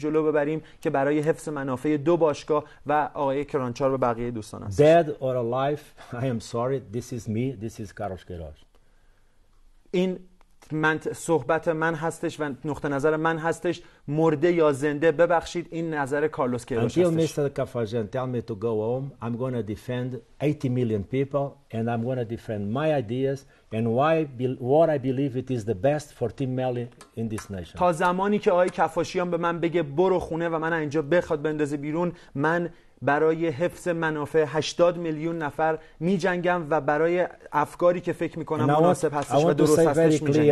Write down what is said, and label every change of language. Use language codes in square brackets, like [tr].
[fa] جلو ببریم که برای حفظ منافع دو باشگاه و آقای کرانچار و بقیه دوستان هست. [en] Dead or alive, I am sorry, this is me, this is Carlos Queiroz. [fa] این من صحبت من هستش و نقطه نظر من هستش. مرده یا زنده، ببخشید، این نظر کارلوس کیروش هستش. [en] Until Mr. Kafajan tell me to go home, I'm going to defend 80 million people and I'm going to defend my ideas and why what I believe it is the best for Team Mali in this nation. [fa] تا زمانی که آقای کفاشیان به من بگه برو خونه و من اینجا بخواد بندازه بیرون، من برای حفظ منافع 80 میلیون نفر میجنگم و برای افکاری که فکر میکنم مناسب هستش و درست هستش میجنگم.